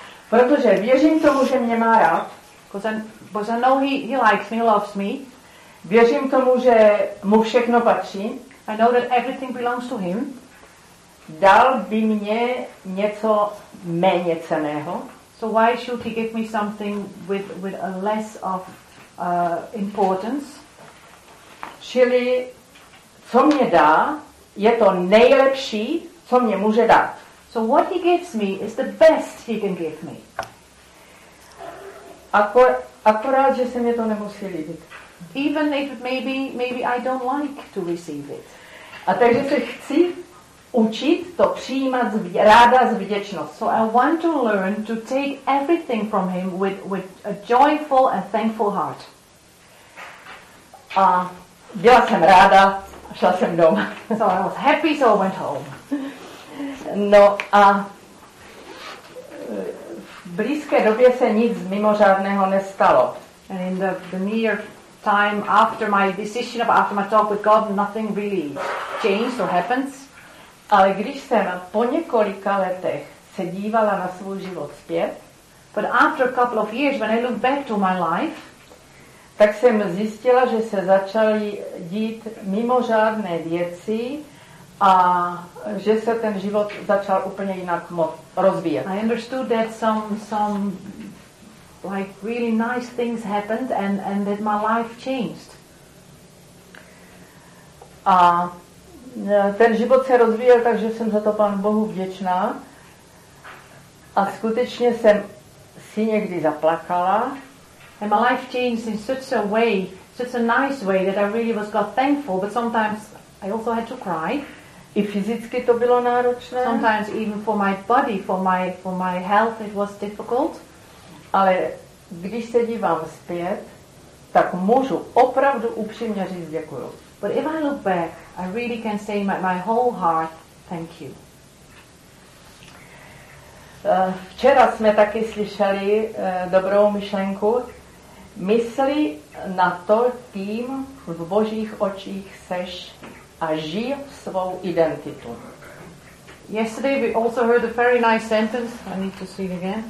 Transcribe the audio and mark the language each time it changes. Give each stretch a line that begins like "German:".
Czech: Protože věřím tomu, že mě má rád.
English: Because I know he likes me, he loves me.
Czech: Věřím tomu, že mu všechno patří.
English: I know that everything belongs to him.
Czech: Dal by mě něco méně cenného.
English: So why should he give me something with a less of importance?
Czech: Čili, co mě dá, je to nejlepší, co mě může dát.
English: So what he gives me is the best he can give me.
Czech: Akorát, že se mě to nemusí líbit.
English: Even if maybe I don't like to receive it.
Czech: A takže se chci učit to přijímat ráda s vděčností.
English: So I want to learn to take everything from him with a joyful and thankful heart.
Czech: A byla jsem ráda, šla jsem doma.
English: So I was happy, so I went home.
Czech: No a v blízké době se nic mimořádného nestalo.
English: And in the near time after my decision, after my talk with God, nothing really changed or happens.
Czech: Ale když jsem po několika letech se dívala na svůj život zpět,
English: but after a couple of years, when I look back to my life,
Czech: tak jsem zjistila, že se začaly dít mimořádné věci a že se ten život začal úplně jinak rozvíjet.
English: I understood that some like really nice things happened and that my life changed.
Czech: A ten život se rozvíjel, takže jsem za to Pánu Bohu vděčná. A skutečně jsem si někdy zaplakala.
English: And my life changed in such a nice way that I really was God thankful, but sometimes I also had to cry.
Czech: I fyzicky to bylo náročné.
English: Sometimes even for my body, for my health, it was difficult.
Czech: Ale když se dívám zpět, tak můžu opravdu upřímně říct děkuju.
English: But if I look back, I really can say my whole heart, thank you.
Czech: Včera jsme taky slyšeli dobrou myšlenku. Myslí na to, kým v Božích očích seš a žij svou identitu.
English: Yesterday we also heard a very nice sentence. I need to see it again.